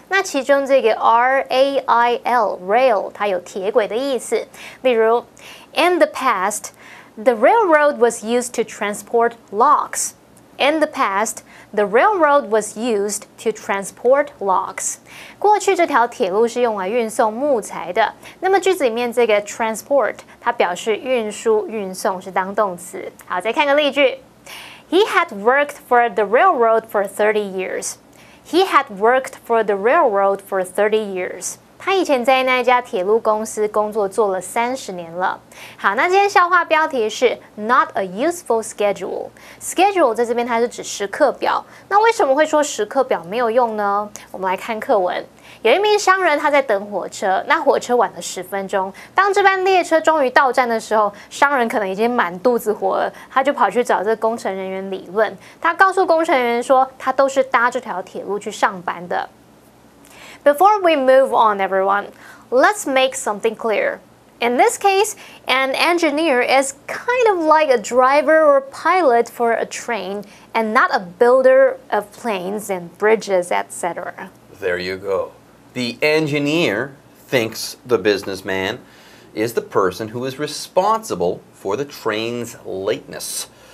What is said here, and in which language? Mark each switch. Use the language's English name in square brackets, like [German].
[Chinese] 那其中这个 RAIL, rail, 它有铁轨的意思。 [English] 例如 ,in the past, the railroad was used to transport logs. In the past, the railroad was used to transport logs. [Chinese] 过去这条铁路是用来运送木材的。那么句子里面这个 transport, 它表示运输、运送是当动词。好，再看个例句。 [English] He had worked for the railroad for 30 years. He had worked for the railroad for 30 years. [Chinese] 他以前在那家铁路公司工作做了30年了。好，那今天笑话标题是 [English] Not a useful schedule. [Chinese] Schedule 在这边它是指时刻表。那为什么会说时刻表没有用呢？我们来看课文。有一名商人他在等火车，那火车晚了十分钟。当这班列车终于到站的时候，商人可能已经满肚子火了，他就跑去找这个工程人员理论。他告诉工程人员说，他都是搭这条铁路去上班的。 [English] Before we move on, everyone, let's make something clear. In this case, an engineer is kind of like a driver or pilot for a train and not a builder of planes and bridges, etc. There you go. The engineer thinks the businessman is the person who is responsible for the train's lateness.